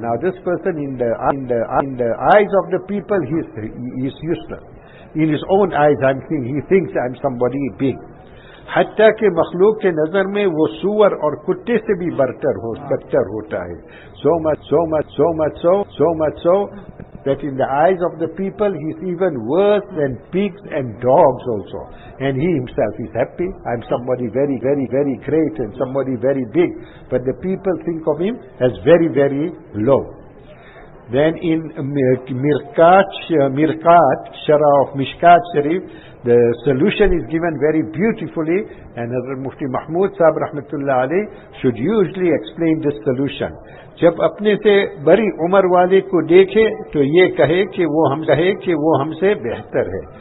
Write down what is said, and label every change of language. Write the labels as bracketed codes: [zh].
[en] Now this person in the eyes of the people, he is useless. In his own eyes, he thinks I'm somebody big. [ur] حتیٰ کہ مخلوق کے نظر میں وہ سور اور کتے سے بھی برتر ہوتا ہے. [en] So much that in the eyes of the people, he's even worse than pigs and dogs also. And he himself is happy. I'm somebody very, very, very great and somebody very big. But the people think of him as very, very low. Then in Mishkat Sharif, the solution is given very beautifully. And Hazrat Mufti Mahmood Sahib Rahmatullah Ali should usually explain this solution. [ur] جب اپنے سے بڑی عمر والے کو دیکھے تو یہ کہے کہ وہ ہم سے بہتر ہے.